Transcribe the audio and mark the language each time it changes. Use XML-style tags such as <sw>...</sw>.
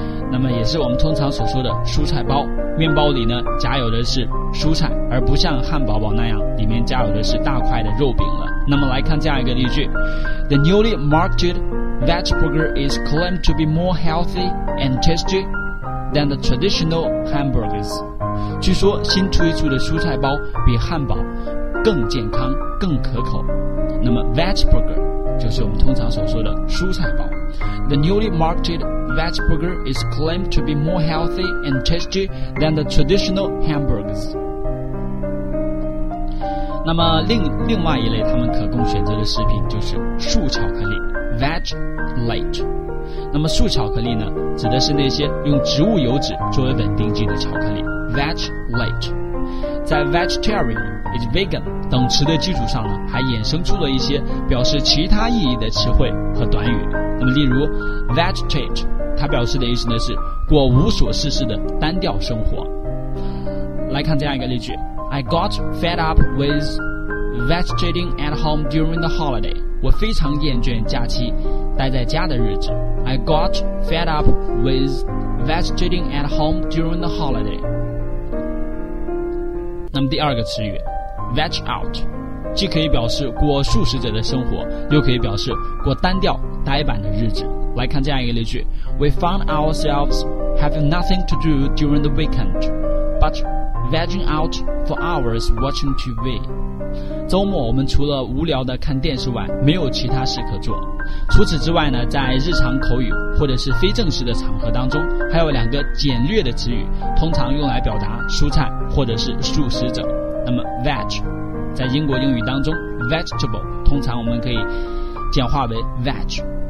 <zh>那么也是我们通常所说的蔬菜包，面包里呢夹有的是蔬菜，而不像汉堡包那样里面夹有的是大块的肉饼了。那么来看这样一个例句 ：</zh> <en>The newly marketed veg burger is claimed to be more healthy and tasty than the traditional hamburgers。</en> <zh>据说新推出的蔬菜包比汉堡更健康、更可口。那么 veg burger 就是我们通常所说的蔬菜包。</zh> <en>The newly marketed veg burger is claimed to be more healthy and tasty than the traditional hamburgers。</en> <zh>那么另外一类他们可供选择的食品就是素巧克力 veg late。那么素巧克力呢，指的是那些用植物油脂作为稳定剂的巧克力 veg late。在 vegetarian 以及 vegan 等词的基础上呢，还衍生出了一些表示其他意义的词汇和短语。那么例如 vegetate， 它表示的意思呢是过无所事事的单调生活。来看这样一个例句</zh> <en>I got fed up with vegetating at home during the holiday。</en> <zh>我非常厌倦假期待在家的日子。</zh> <en>I got fed up with vegetating at home during the holiday。</en> <zh>那么第二个词语 veg out， 既可以表示过素食者的生活，又可以表示过单调呆板的日子。来看这样一个例句</zh> <en>We found ourselves having nothing to do during the weekend but vegging out for hours watching TV。</en> <zh>周末我们除了无聊的看电视外，没有其他事可做。除此之外呢，在日常口语或者是非正式的场合当中，还有两个简略的词语，通常用来表达蔬菜或者是素食者。那么 veg 在英国英语当中 vegetable 通常我们可以简化为 veg。</zh>